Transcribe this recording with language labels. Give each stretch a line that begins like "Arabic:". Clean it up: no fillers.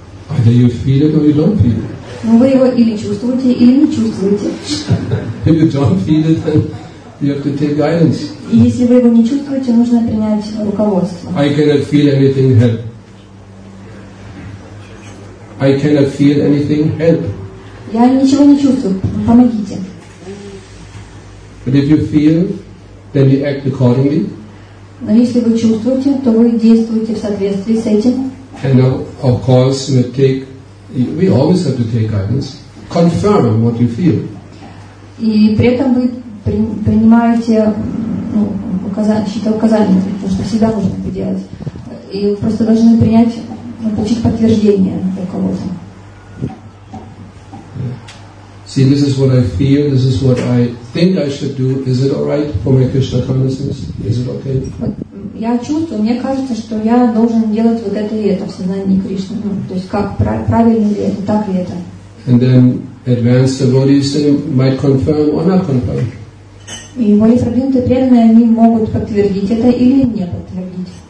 English: Either you feel it or you don't feel it.
Russian: Ну вы его или чувствуете, или не чувствуете.
English: If you don't feel it, then you have to take guidance.
Russian: И если вы его не чувствуете, нужно принять руководство.
English: I cannot feel anything help. I cannot feel anything help.
Russian: Я ничего не чувствую. Помогите.
English: But if you feel, then you act accordingly.
Russian: Но если вы чувствуете, то вы действуете в соответствии с этим.
English: And of course, we always have to take guidance. Confirm what you feel.
Russian: И при этом вы принимаете какие-то указания, потому что всегда нужно это делать. И вы просто должны получить подтверждение у кого-то.
English: See, this is what I feel, this is what I think I should do. Is it alright for my Krishna consciousness? Is it okay?
Russian: Я чувствую, мне кажется, что я должен делать вот это и это в сознании Кришны. Ну, то есть как правильно ли это, так ли это.
English: And then advanced devotees might confirm or not confirm.
Russian: И мои продвинутые преданные, они могут подтвердить это или не подтвердить.